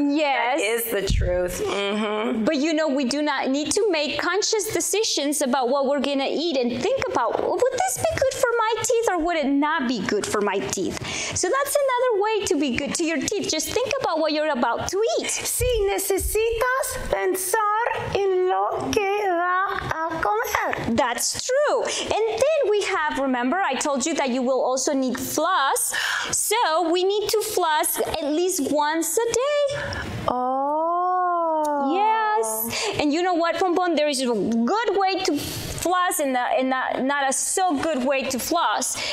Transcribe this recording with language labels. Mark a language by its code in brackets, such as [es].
[en] Yes. That is the truth. Mm-hmm. But you know, we do not need to make conscious decisions about what we're going to eat and think about, would this be good for my teeth or would it not be good for my teeth? So that's another way to be good to your teeth. Just think about what you're about to eat. [es] Si necesitas pensar en lo que va a comer. [en] That's true. And then we have, remember, I told you that you will also need floss. So we need to floss at least once a day. Oh. Yes. And you know what, Pompón? There is a good way to floss and not a so good way to floss.